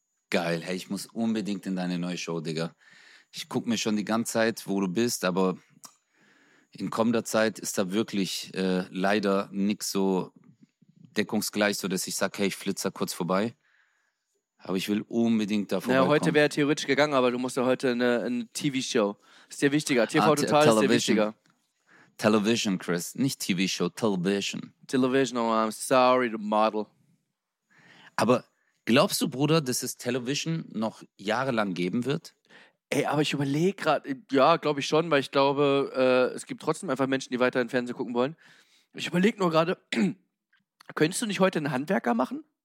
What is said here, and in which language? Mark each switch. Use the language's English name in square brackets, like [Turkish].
[German] Geil, hey, ich muss unbedingt in deine neue Show, Digga. Ich gucke mir schon die ganze Zeit, wo du bist, aber in kommender Zeit ist da wirklich leider nichts so deckungsgleich, so dass ich sage, hey, ich flitzer kurz vorbei. Aber ich will unbedingt da vorbeikommen. Ja, heute wäre theoretisch gegangen, aber du musst ja heute eine TV-Show. Ist dir wichtiger, TV Total ist dir wichtiger. Television, Chris, nicht TV-Show, Television. [English] Television, oh, I'm sorry, the model. [German] Aber glaubst du, Bruder, dass es Television noch jahrelang geben wird? Ey, aber ich überlege gerade, ja, glaube ich schon, weil ich glaube, es gibt trotzdem einfach Menschen, die weiter in Fernsehen gucken wollen. Ich überlege nur gerade, könntest du nicht heute einen Handwerker machen?